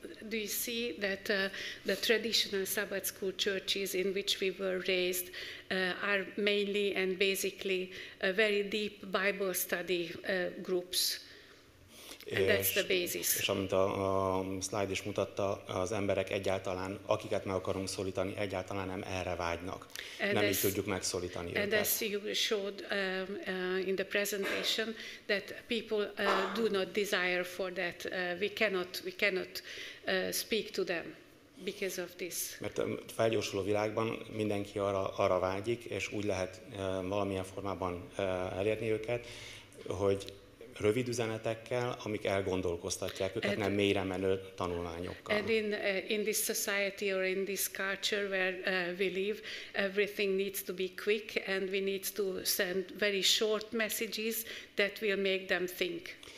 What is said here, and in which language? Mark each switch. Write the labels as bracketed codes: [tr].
[en] Do you see that the traditional Sabbath school churches in which we were raised are mainly and basically a very deep Bible study groups? And that's the basis. [hu] És amit a slide is mutatta, az emberek egyáltalán, akiket meg akarunk szólítani, egyáltalán nem erre vágynak. [en] And [hu] nem így tudjuk megszólítani őket. [en] As you showed in the presentation, that people do not desire for that. We cannot speak to them because of this. [hu] Mert a felgyorsuló világban mindenki arra vágyik, és úgy lehet valamilyen formában elérni őket, hogy rövid üzenetekkel, amik elgondolkoztatják őket, nem mélyre menő tanulmányokkal. [en] And in this society or in this culture where we live, everything needs to be quick and we need to send very short messages that will make them think.